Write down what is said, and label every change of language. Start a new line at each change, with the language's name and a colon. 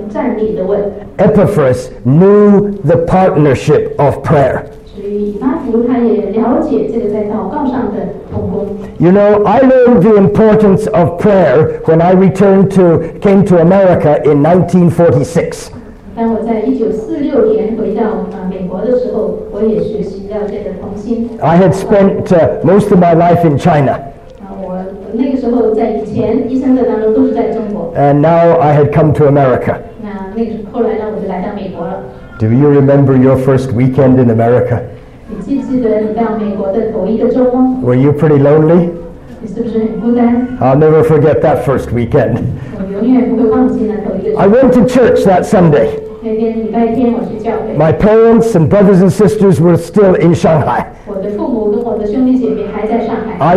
Chinese: 他说：“有你们那里的人，做基督耶稣仆人的以巴弗，为你们安。他在祷告之间，常为你们竭力的祈求，愿你们在神的一切旨意上得以完全，信心充足，能站立的稳。”Epaphras
English: knew the partnership of prayer.
Chinese: 所以以巴弗他也了解这个在祷告上的同工。
English: You know, I learned the importance of prayer when I returned to came to America in 1946.
Chinese: 当我在1946年回到美国的时候，我也学习到这个同心。
English: I had spent most of my life in China.
Chinese: 我那个时候在以前一生的当中都是在中国。
English: And now I had come to America.
Chinese: 那后来呢，我就来到美国了。
English: Do you remember your first weekend in America?
Chinese: 你记不记得你到美国的头一个周末？
English: Were you pretty lonely?
Chinese: 你是不是很孤单？
English: I'll never forget that first weekend.
Chinese: 我永远不会忘记那头一个周末。
English: I went to church that Sunday.
Chinese: 那天礼拜天我去教会。
English: My parents and brothers and sisters were still in Shanghai.
Chinese: 我的父母跟我的兄弟姐妹还在上海。
English: I